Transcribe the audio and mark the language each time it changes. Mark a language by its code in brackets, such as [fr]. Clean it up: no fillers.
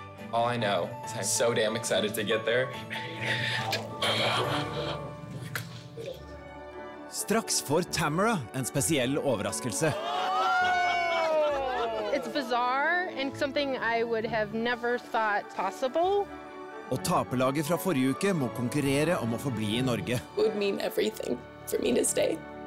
[en] All I know is I'm so damn excited to get there. [no] Straks får Tamara en spesiell overraskelse. [en] bizarre and something I would have never thought possible. [no] Og taperlaget fra forrige uke må konkurrere om å forbli I Norge. [en] It would mean everything for me to stay.